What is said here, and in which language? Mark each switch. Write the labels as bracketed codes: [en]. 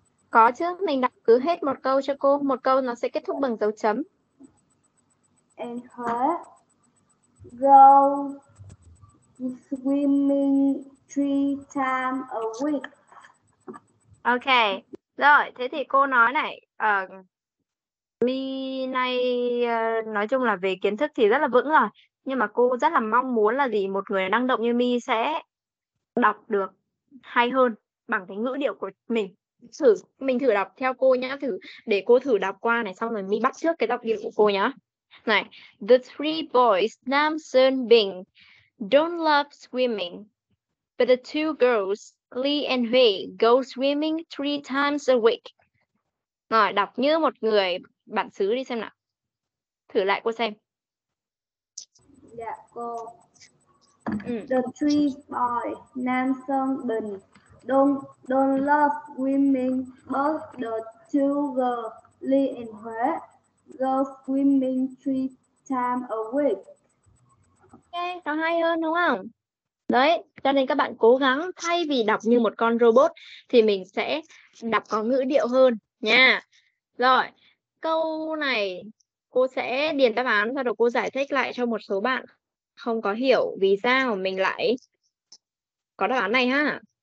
[vi] Có chứ, mình đọc cứ hết một câu cho cô, một câu nó sẽ kết thúc bằng dấu chấm. [en] And her girl swimming three times a week. [vi] Ok, rồi, thế thì cô nói này, mi này nói chung là về kiến thức thì rất là vững rồi, nhưng mà cô rất là mong muốn là gì, một người năng động như mi sẽ đọc được hay hơn bằng cái ngữ điệu của mình. Thử, mình thử đọc theo cô nhá, thử để cô thử đọc qua này, xong rồi mi bắt trước cái đọc điệu của cô nhá. Này, [en] the three boys Nam Sơn Bình don't love swimming, but the two girls Lee and Huy go swimming three times a week. [vi] Rồi, đọc như một người bản xứ đi xem nào. Thử lại cô xem. Dạ cô. [en] The three boys Nam Sơn Bình don't love swimming, but the two girls Lee and Huy go swimming three times a week. [vi] Ok, nó hay hơn đúng không? Đấy, cho nên các bạn cố gắng thay vì đọc như một con robot thì mình sẽ đọc có ngữ điệu hơn nha. Rồi, câu này cô sẽ điền đáp án, sau đó cô giải thích lại cho một số bạn không có hiểu vì sao mình lại có đáp án này ha.